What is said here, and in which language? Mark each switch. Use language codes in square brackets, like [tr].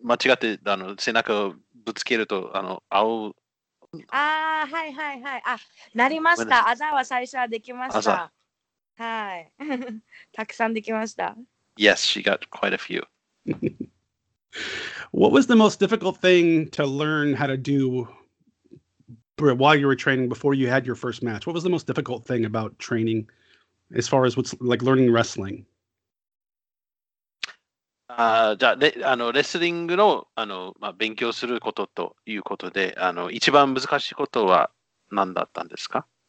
[ja] じゃあ、あわざと、あの、背中と腕ではよくできましたか?何?技?あ、あわざ?あわざ?なんだ?怪我するときに、あの、間違って、あの、背中をぶつけると、あの、青、 Ah,はいはいはい。あ、なりました。あざは最初はできました。はい。たくさんできました。 [en] Yes, she got quite a few. What was the most difficult thing to learn how to do while you were training, before you had your first match, what was the most difficult thing about training as far as what's like learning wrestling? [ja] レスリングの勉強することということで、一番難しいことは何だったんですか?